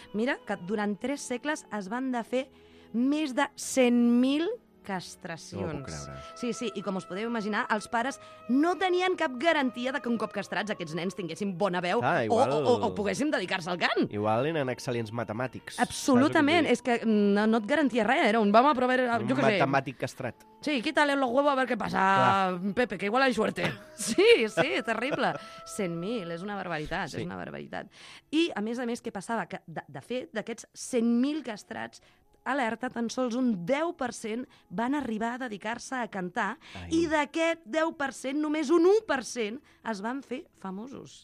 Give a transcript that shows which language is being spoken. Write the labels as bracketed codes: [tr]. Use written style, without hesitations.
[ca] Mira que durant 3 segles es van de fer més de 100.000 castracions. No ho puc creure. Sí, sí, i com us podeu imaginar, els pares no tenien cap garantia de que un cop castrats aquests nens tinguessin bona veu o poguessin dedicar-se al cant. Igual eren excel·lents matemàtics. Absolutament, és que no et garantia res, era un vam a provar... Un matemàtic castrat. [es] Sí, quítale los huevos a ver qué pasa, Pepe, que igual hay suerte. [ca] Sí, sí, terrible. 100.000, és una barbaritat, sí. És una barbaritat. I, a més, què passava? Que, de fet, d'aquests 100.000 castrats, alerta, tan sols un 10% van arribar a dedicar-se a cantar. Ai. I d'aquest 10%, només un 1% es van fer famosos.